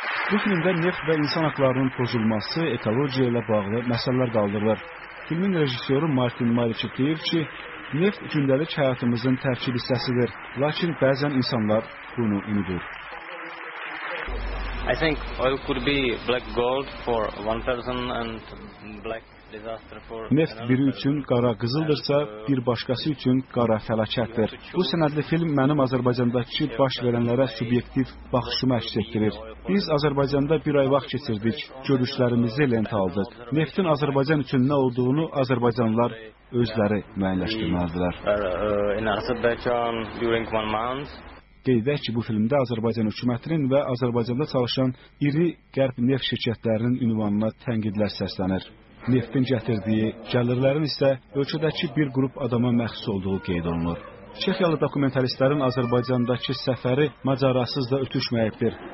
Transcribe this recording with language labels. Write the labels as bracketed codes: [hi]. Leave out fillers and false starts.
[az] Bu filmdə neft və insan haqlarının pozulması, ekolojiya ilə bağlı məsələlər qaldırılır. Filmin rejissoru Martin Maricek deyir ki, neft gündəlik həyatımızın tərkib hissəsidir, lakin bəzən insanlar bunu unudur. [en] I think oil could be black gold for one person and black disaster for another. [az] Neft biri üçün qara qızıldırsa, bir başqası üçün qara fəlakətdir. Bu sənədli film mənim Azərbaycandakı baş verənlərə subyektiv baxışımı əks etdirir. Biz Azərbaycanda bir ay vaxt keçirdik, görüşlərimizi lentə aldıq. Neftin Azərbaycan üçün nə olduğunu azərbaycanlılar özləri müəyyənləşdirmədilər. [en] In Azerbaijan during 1 month. [az] Qeyd edək ki, bu filmdə Azərbaycan hökumətinin və Azərbaycanda çalışan iri qərb neft şirkətlərinin ünvanına tənqidlər səslənir. Neftin gətirdiyi gəlirlərin isə ölkədəki bir qrup adama məxsus olduğu qeyd olunur. Çexiyalı dokumentalistlərin Azərbaycandakı səfəri macarasız da ötüşməyibdir.